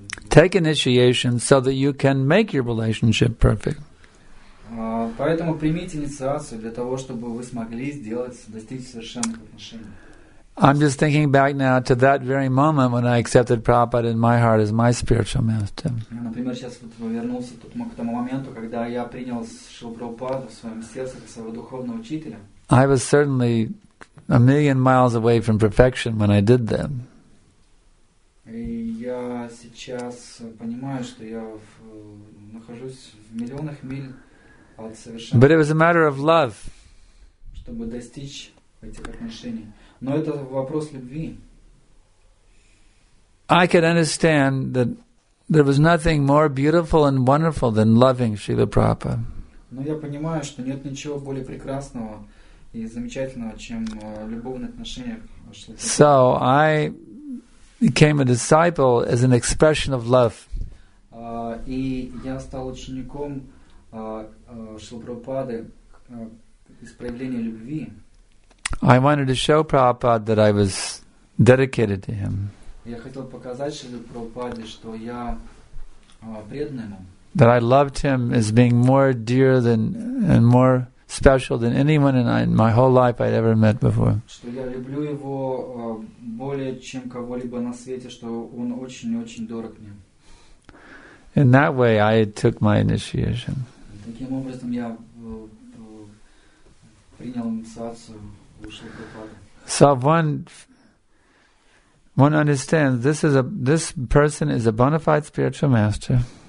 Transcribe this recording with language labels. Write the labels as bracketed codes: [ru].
[en] Take initiation so that you can make your relationship perfect. [ru] Поэтому примите инициацию для того, чтобы вы смогли сделать, достичь совершенных отношений. [en] I'm just thinking back now to that very moment when I accepted Prabhupada in my heart as my spiritual master. [ru] Например, сейчас вот вернулся тут к тому моменту, когда я принял Шрилу Прабхупаду в своем сердце как своего духовного учителя. [en] I was certainly a million miles away from perfection when I did that. [ru] И я сейчас понимаю, что я нахожусь в миллионах миль от совершенства. [en] But it was a matter of love. [ru] Чтобы достичь этих отношений. Но это вопрос любви. [en] I could understand that there was nothing more beautiful and wonderful than loving Srila Prabhupada. [ru] Но я понимаю, что нет ничего более прекрасного и замечательного, чем любовные отношения. [en] So I became a disciple as an expression of love. [ru] И я стал учеником Шрилы Прабхупады из проявления любви. [en] I wanted to show Prabhupada that I was dedicated to him. [ru] Я хотел показать Шриле Прабхупаде, что я преданный ему. [en] That I loved him as being more dear than and more special than anyone in my whole life I'd ever met before. [ru] Что я люблю его более чем кого-либо на свете, что он очень-очень дорог мне. [en] In that way I took my initiation. [ru] Таким образом я принял инициацию. [en] So one One understands this person is a bona fide spiritual master.